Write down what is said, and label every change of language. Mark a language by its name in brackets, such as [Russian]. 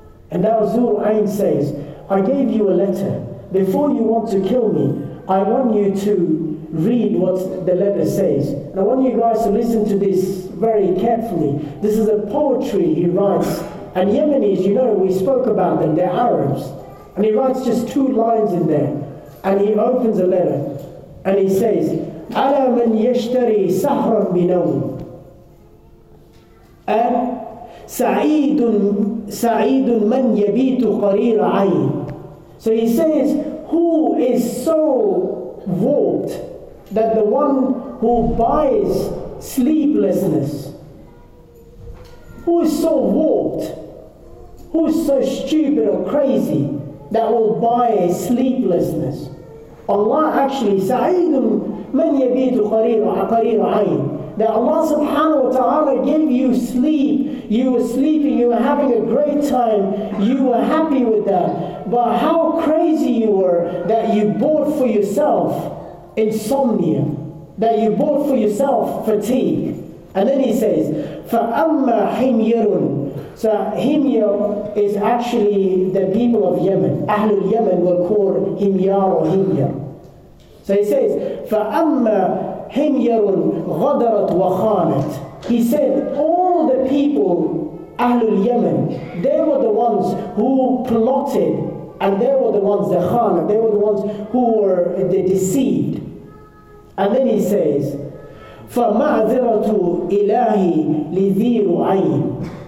[English] And now Zul Ayn says, I gave you a letter. Before you want to kill me, I want you to read what the letter says. And I want you guys to listen to this very carefully. This is a poetry he writes. And Yemenis, you know, we spoke about them, they're Arabs. And he writes just two lines in there. And he opens a letter. And he says, [Arabic] أَلَا مَنْ يَشْتَرِي سَحْرًا بِنَوْمٍ أَنْ سَعِيدٌ مَنْ يَبِيتُ قَرِيرَ عَيْنٍ. [English] So he says, who is so warped that the one who buys sleeplessness, who is so warped, who is so stupid or crazy that will buy sleeplessness? Allah actually, [Arabic] سَعِيدٌ مَنْ يَبِيتُ قَرِيرَ عَيْنٍ. [English] That Allah subhanahu wa ta'ala gave you sleep, you were sleeping, you were having a great time, you were happy with that. But how crazy you were that you bought for yourself insomnia, that you bought for yourself fatigue. And then he says, [Arabic] فَأَمَّا حِمْيَرٌ. [English] So Himyar is actually the people of Yemen. Ahlul Yemen were called Himyar or Himyar. So he says, [Arabic] فَأَمَّا حِمْيَرٌ غَدَرَتْ وَخَانَتْ. [English] He said, all the people, Ahlul Yemen, they were the ones who plotted, and they were the ones, the Khan, they were the ones who were the deceived. And then he says, [Arabic] فَمَعْذِرَةُ إِلَهِ لِذِيرُ عَيْنٍ.